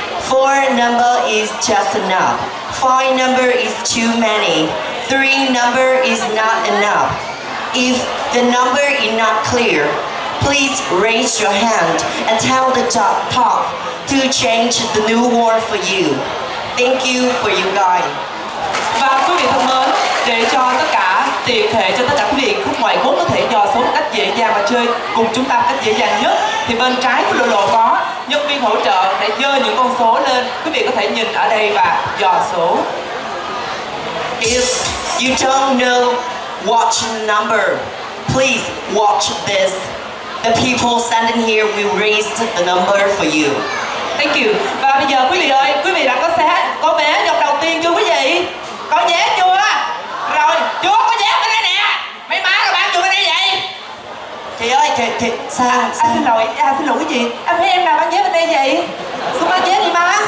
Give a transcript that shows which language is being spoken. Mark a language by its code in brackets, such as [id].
[en] Four number is just enough. Five number is too many. Three number is not enough. If the number is not clear, please raise your hand and tell the top to change the new word for you. Thank you for your guide. [vi] Và quý vị thân mến, để cho tất cả tiền thể cho tất cả quý vị khúc ngoại quốc có thể dò số một cách dễ dàng và chơi cùng chúng ta một cách dễ dàng nhất, thì bên trái của lộ có nhân viên hỗ trợ để dơ những con số lên. Quý vị có thể nhìn ở đây và dò số. [en] If you don't know what number, please watch this. The people standing here will raise the number for you. Thank you. [vi] Và bây giờ quý vị ơi, quý vị đã có xe, có vé nhập đầu tiên chưa quý vị? Có vé chưa? Rồi, chưa có vé bên đây nè. Mấy má rồi bán chưa bên đây vậy? Chị ơi, chị sao? Anh xin lỗi, anh xin lỗi cái gì? Em thấy em nào bán vé bên đây vậy? Xuống bán vé đi má.